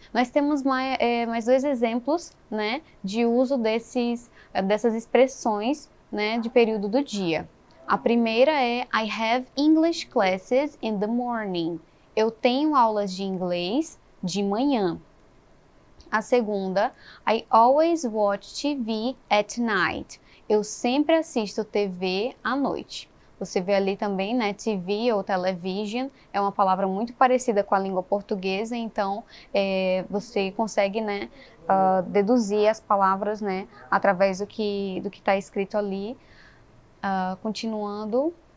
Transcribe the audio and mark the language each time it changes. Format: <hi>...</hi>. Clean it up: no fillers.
<pt>Nós temos mais dois exemplos, né, de uso dessas expressões, né, de período do dia. A primeira é</pt> <en>I have English classes in the morning.</en> <pt>Eu tenho aulas de inglês de manhã. A segunda,</pt> <en>I always watch TV at night.</en> <pt>Eu sempre assisto TV à noite. Você vê ali também, né? TV ou television é uma palavra muito parecida com a língua portuguesa, então você consegue, né, deduzir as palavras, né, através do que está escrito ali. Continuando.</pt>